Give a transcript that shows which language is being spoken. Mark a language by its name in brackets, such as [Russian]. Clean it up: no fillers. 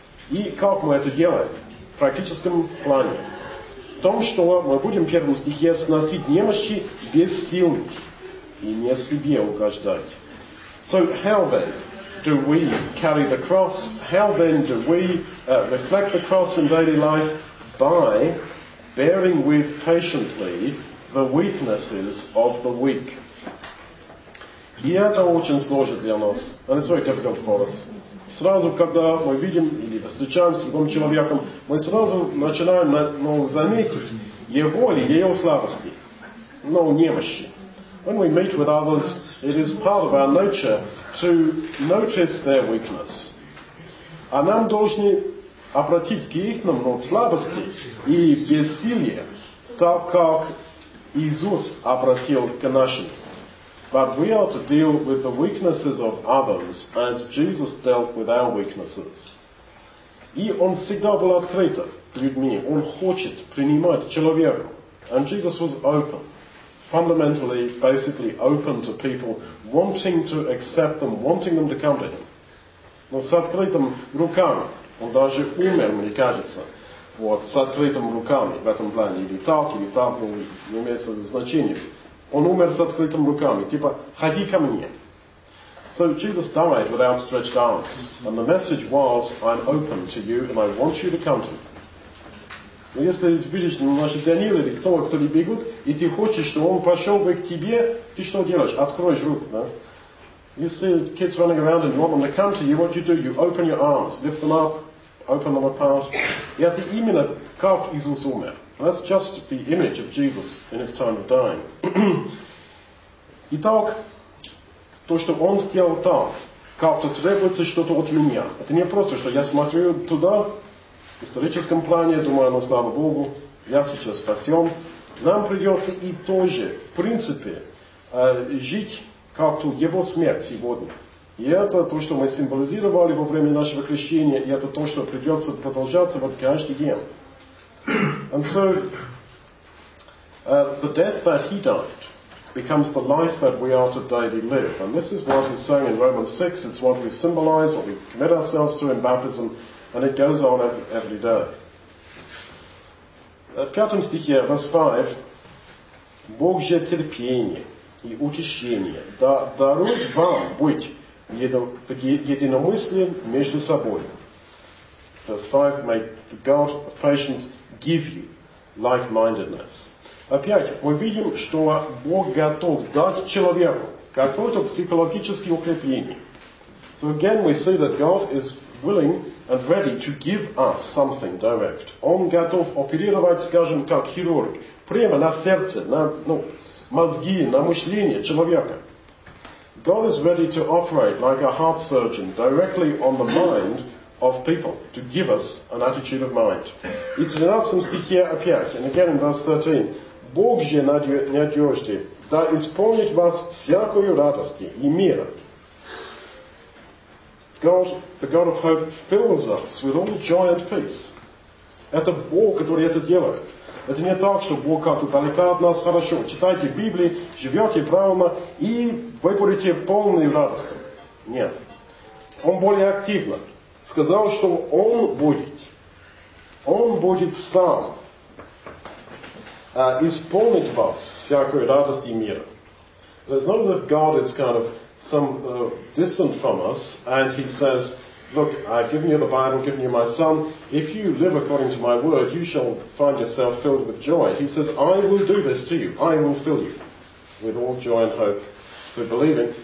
[Russian] И как мы это делаем? В практическом плане. В том, что мы будем в первом стихе сносить немощи без сил и не себе угождать. [English] So how then do we carry the cross? How then do we reflect the cross in daily life? By bearing with patiently the weaknesses of the weak. [Russian] И это очень сложно для нас. [English] And it's very difficult for us. [Russian] Сразу, когда мы видим или встречаемся с другим человеком, мы сразу начинаем заметить его или ее слабости, немощи. [English] When we meet with others, it is part of our nature to notice their weakness. [Russian] А нам должны обратить к их слабости и бессилие, так как Иисус обратил к нашим. [English] But we are to deal with the weaknesses of others as Jesus dealt with our weaknesses. [Russian] И он всегда был открыт людьми. Он хочет принимать человека. [English] And Jesus was open, fundamentally, basically open to people, wanting to accept them, wanting them to come to him. [Russian] Но с открытым руками. Он даже умер, мне кажется. Вот, с открытым руками в этом плане. Или так, не имеется значения. Он умер с открытым руками, типа, ходи ко мне. [English] So Jesus died with outstretched arms. And the message was, I'm open to you and I want you to come to me. [Russian] Если ты видишь наших Даниил или кто ли бегут, и ты хочешь, чтобы он пошел бы к тебе, ты что делаешь? Откроешь руку, да? [English] You see kids running around and you want them to come to you, what do? You open your arms, lift them up, open them apart. [Russian] И это именно как Иисус умер. [English] That's just the image of Jesus in his time of dying. [Russian] Итак, то, что он сделал там, как-то требуется что-то от меня. Это не просто, что я смотрю туда, в историческом плане, думаю, ну, слава Богу, я сейчас спасен. Нам придется и тоже, в принципе, жить как-то его смерть сегодня. И это то, что мы символизировали во время нашего крещения, и это то, что придется продолжаться вот каждый день. [English] And so, the death that he died, becomes the life that we are to daily live. And this is what he's saying in Romans 6. It's what we symbolize, what we commit ourselves to in baptism, and it goes on every day. [Russian] Пятом стихе, [English] verse 5, [Russian] Бог же терпение и утешение дарует вам быть в единомыслии между собой. [English] Verse 5, may the God of patience give you like-mindedness. [Russian] Опять мы видим, что Бог готов дать человеку какое-то психологическое укрепление. [English] So again we see that God is willing and ready to give us something direct. [Russian] Он готов оперировать, скажем, как хирург, прямо на сердце, на мозги, на мышление человека. [English] God is ready to operate like a heart surgeon directly on the mind of people, to give us an attitude of mind. [Russian] И 13 стихе опять, [English] and again in verse 13, [Russian] Бог же надежды, да исполнит вас всякую радости и мира. [English] God, the God of hope, fills us with all joy and peace. [Russian] Это Бог, который это делает. Это не так, что Бог как-то далеко от нас, хорошо. Читайте Библию, живете правильно, и вы будете полны радости. Нет. Он более активно сказал, что Он будет сам исполнить вас всякой радости мира. [English] So it's not as if God is kind of distant from us, and he says, look, I've given you the Bible, given you my son, if you live according to my word, you shall find yourself filled with joy. He says, I will do this to you, I will fill you with all joy and hope for believing.